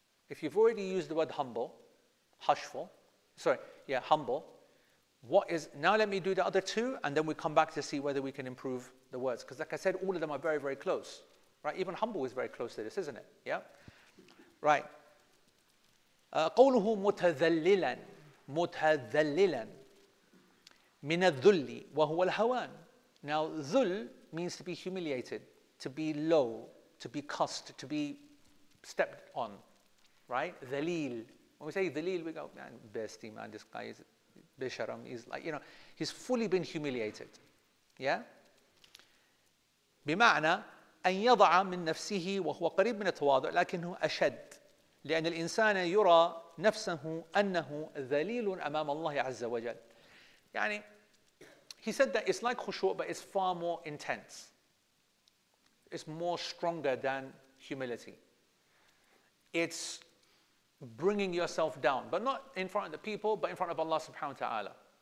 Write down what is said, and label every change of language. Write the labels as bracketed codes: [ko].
[en] If you've already used the word humble, hushful, sorry, yeah, humble, what is, now let me do the other two, and then we come back to see whether we can improve the words. Because like I said, all of them are very, very close. Right, even humble is very close to this, isn't it? Yeah? Right. [ar] قوله متذللا متذللا من الذل وهو الهوان. [en] Now, ذل means to be humiliated, to be low, to be cussed, to be stepped on. Right? ذليل. When we say ذليل, we go, man, bestie, man, this guy is... Bisharam, he's like, you know, he's fully been humiliated. Yeah? [ar] بمعنى أن يضع من نفسه وهو قريب من التواضع لكنه أشد لأن الإنسان يرى نفسه أنه ذليل أمام الله عز وجل. [en] يعني, he said that it's like khushu, but it's far more intense. It's more stronger than humility. It's bringing yourself down, but not in front of the people, but in front of Allah subhanahu wa ta'ala.